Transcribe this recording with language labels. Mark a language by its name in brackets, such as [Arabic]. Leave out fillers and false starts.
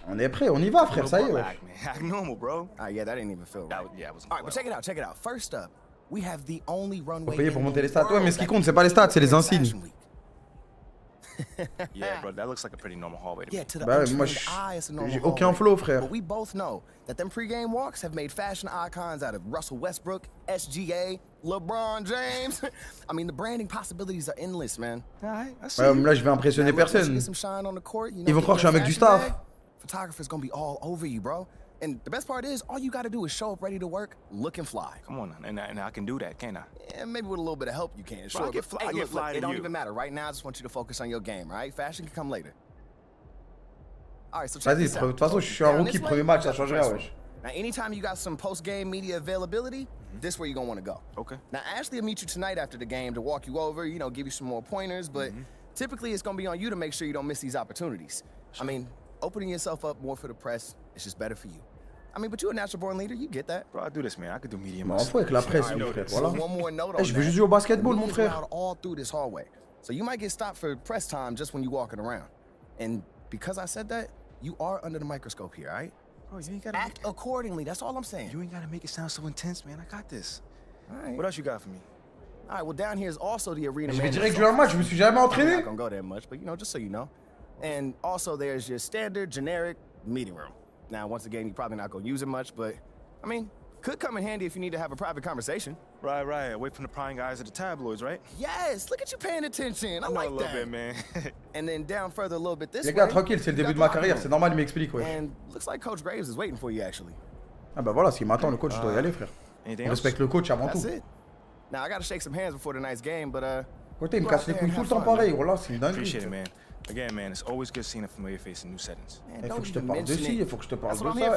[French] On est prêt, on y va, frère, ça y est. [English] Act normal, bro. Yeah, that didn't even feel right. Yeah, it was. All right, but check it out. First up, we have the only runway. [French] Payer pour monter les stats. Ouais, mais ce qui compte, c'est pas les stats, c'est les insignes. [English] Yeah, bro, that looks like a pretty normal hallway to me. Yeah, to the bah, untrained eye, it's a normal hallway. [French] Aucun flow, frère. [English] But we both know that them pregame walks have made fashion icons out of Russell Westbrook, SGA, LeBron James. I mean, the branding possibilities are endless, man. All right, I see. [French] Là, je vais impressionner personne. [English] Some shine on the court, you know, [French] ils vont croire que je suis un mec du staff. [English] Photographer's gonna be all over you, bro. And the best part is, all you gotta do is show up ready to work, look and fly. Come on, and I can do that, can't I? Yeah, maybe with a little bit of help you can, sure. Bro, I get fly to you. It don't even matter. Right now, I just want you to focus on your game, right? Fashion can come later. All right, so check this out. [French] De toute façon, je suis un rookie, premier match, ça change rien, wesh. [English] Now, anytime you got some post-game media availability, this is where you're gonna wanna go. Okay. Now, Ashley will meet you tonight after the game to walk you over, you know, give you some more pointers, but typically, it's gonna be on you to make sure you don't miss these opportunities. Sure. I mean, opening yourself up more for the press, it's just better for you. I mean, but you're a natural born leader, you get that. Bro, I do this, man. I could do medium. [French] Mais en fait, avec la presse, mon frère, voilà. Hey, je veux juste jouer au basketball, mon frère. [English] All through this hallway. So you might get stopped for press time just when you're walking around. And because I said that, you are under the microscope here, right? Bro, you ain't gotta act accordingly. That's all I'm saying. You ain't gotta make it sound so intense, man. I got this. All right. What else you got for me? All right, well, down here is also the arena. [French] Mais je vais direct jouer un match, je me suis jamais entraîné. [English] I'm not gonna go that much, but you know, just so you know. And also, there's your standard, generic meeting room. Now, once again, you're probably not going to use it much, but I mean, could come in handy if you need to have a private conversation. Right, right. Away from the prying eyes of the tabloids, right? Yes, look at you paying attention. I like that. A little bit, man. And then down further a little bit this way. [French] Les gars, tranquille, c'est le début de ma carrière. C'est normal, il m'explique, ouais. [English] And looks like Coach Graves is waiting for you, actually. [French] Ah, bah voilà, ce qui m'attend, le coach, je dois y aller, frère. On respecte le coach avant tout. [English] That's it. Now, I got to shake some hands before tonight's game, but. [French] Côté, il me casse les couilles tout le temps pareil. Voilà, c'est une dinguerie. [English] Appreciate it, man. Again, man, it's always good seeing a familiar face in new settings. [French] Il faut que je te parle de ci, il faut que je te parle de ça.